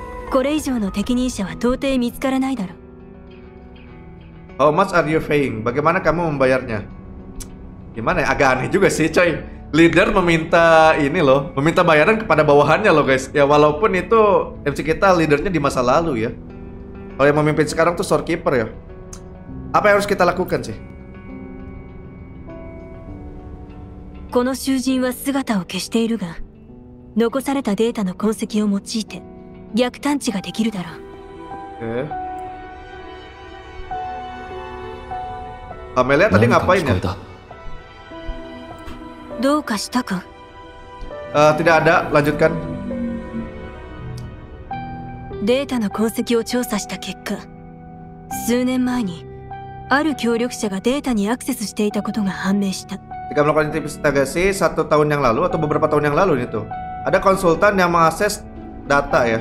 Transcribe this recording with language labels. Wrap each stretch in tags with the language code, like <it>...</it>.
<ja>これ以上の適任者は到底見つからないだろう。</ja> <en>How much are you paying?</en> <id>Bagaimana kamu membayarnya? Gimana ya? Agak aneh juga sih, coy. Leader meminta ini loh, meminta bayaran kepada bawahannya loh, guys. Ya walaupun itu MC kita leadernya di masa lalu ya. Kalau yang memimpin sekarang tuh storekeeper ya. Apa yang harus kita lakukan sih?</id> <ja>この囚人は姿を消しているが、残されたデータの痕跡を用いて逆探知ができるだろう。</ja> <id>Amelia tadi ngapain ya?</id> <ja>どうかしたか?</ja> <id>Tidak ada, lanjutkan.</id> <ja>データの痕跡を調査した結果、数年前にある協力者がデータにアクセスしていたことが判明した。</ja> <id>Jika melakukan investigasi satu tahun yang lalu atau beberapa tahun yang lalu itu, ada konsultan yang mengakses data ya.</id>